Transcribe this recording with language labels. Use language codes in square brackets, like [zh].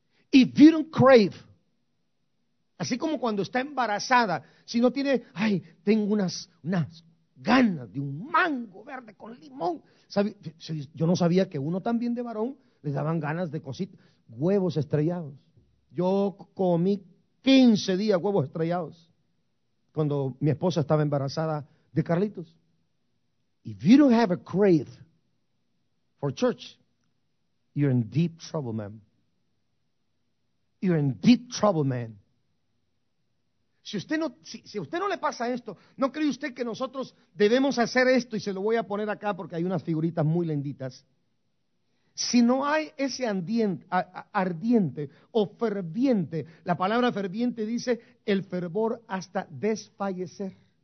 [en] If you don't crave, [es] así como cuando está embarazada, si no tiene, ay, tengo unas ganas de un mango verde con limón. Yo no sabía que uno también de varón le daban ganas de cositas, huevos estrellados. Yo comí 15 días huevos estrellados cuando mi esposa estaba embarazada de Carlitos. [en] If you don't have a crave for church, you're in deep trouble, man. You're in deep trouble, man. [es] Si usted no le pasa esto, ¿no cree usted que nosotros debemos hacer esto? Y se lo voy a poner acá porque hay unas figuritas muy linditas. Si no hay ese ardiente o ferviente, la palabra ferviente dice el fervor hasta desfallecer.